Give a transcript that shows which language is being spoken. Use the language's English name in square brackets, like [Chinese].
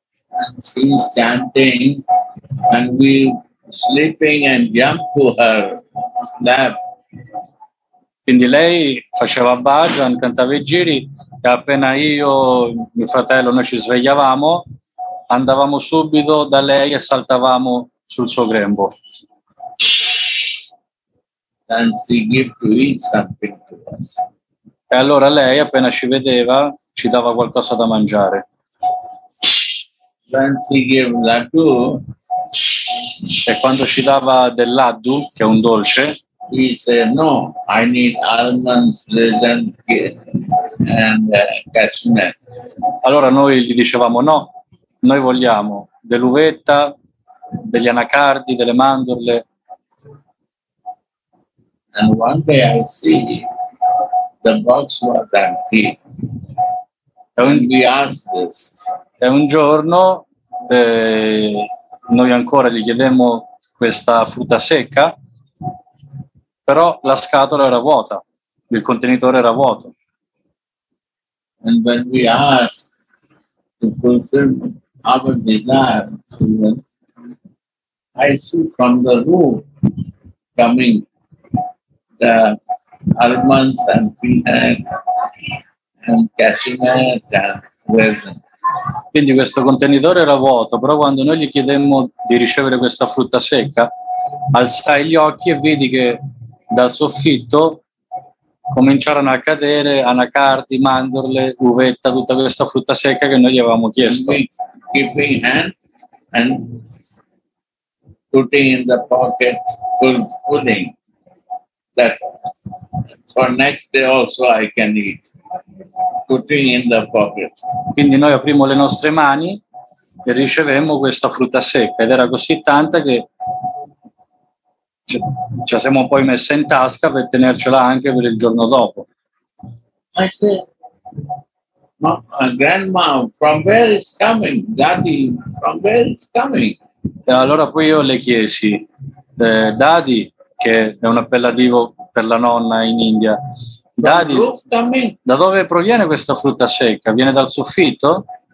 [English] And she chanting and we sleeping and jump to her lap. [Italian] Quindi lei faceva bhajan, cantava i giri e appena io, mio fratello, noi ci svegliavamo, andavamo subito da lei e saltavamo sul suo grembo. [English] and she give to eat something to us. [Italian] E allora lei appena ci vedeva ci dava qualcosa da mangiare. [English] Then she give laddu. [Italian] E quando ci dava del laddu, che è un dolce, [English] he said no, I need almonds, raisin and cashew. [Italian] Allora noi gli dicevamo no, noi vogliamo dell'uvetta, degli anacardi, delle mandorle. [English] And one day I see the box was empty. And we asked this. [Italian] E un giorno noi ancora gli chiedemmo questa frutta secca, però la scatola era vuota, il contenitore era vuoto. [English] And when we asked to fulfill our desire, I see from the room coming the almonds and peanuts and cashew nuts and raisins. [Italian] Quindi questo contenitore era vuoto, però quando noi gli chiedemmo di ricevere questa frutta secca, alzai gli occhi e vidi che dal soffitto cominciarono a cadere anacardi, mandorle, uvetta, tutta questa frutta secca che noi gli avevamo chiesto. [English] Keeping hand and putting in the pocket full pudding that for next day also I can eat. Putting in the pocket. [Italian] Quindi noi aprimmo le nostre mani e ricevemmo questa frutta secca ed era così tanta che ce la siamo poi messa in tasca per tenercela anche per il giorno dopo. [English] I said, Ma, grandma, from where is coming? Daddy, from where is coming? [Italian] E allora poi io le chiesi, Daddy, che è un appellativo per la nonna in India, Daddy, da dove proviene questa frutta secca? Viene dal soffitto?